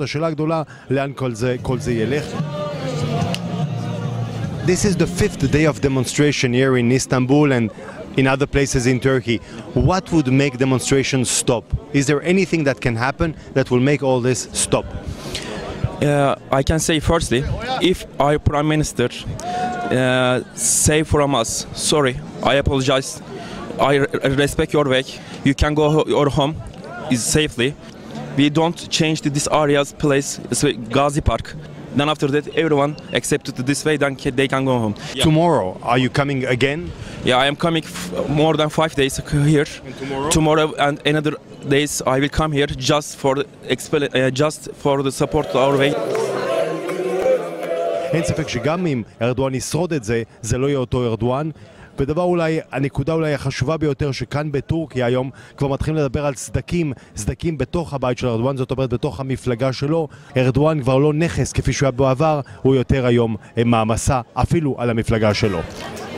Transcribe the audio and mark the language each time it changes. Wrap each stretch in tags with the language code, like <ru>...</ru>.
<he>השאלה הגדולה, לאן כל זה ילך?</he> <en>This is the fifth day of demonstration here in Istanbul and in other places in Turkey. What would make demonstrations stop? Is there anything that can happen that will make all this stop? I can say firstly, if our Prime Minister say from us, sorry, I apologize, I respect your way, you can go your home safely, we don't change this area's place, Gazi Park. Then after that, everyone accepted this way, then they can go home. Yeah. Tomorrow, are you coming again? Yeah, I am coming more than 5 days here. And tomorrow? Tomorrow and another days, I will come here just for the support to our way.</en> <he>אין ספק שגם אם ארדואן ישרוד את זה, זה לא יהיה אותו ארדואן. ודבר אולי, הנקודה אולי החשובה ביותר, שכאן בטורקיה היום כבר מתחילים לדבר על סדקים בתוך הבית של ארדואן, זאת אומרת בתוך המפלגה שלו. ארדואן כבר לא נכס כפי שהוא היה בעבר, הוא יותר היום מעמסה אפילו על המפלגה שלו.</he>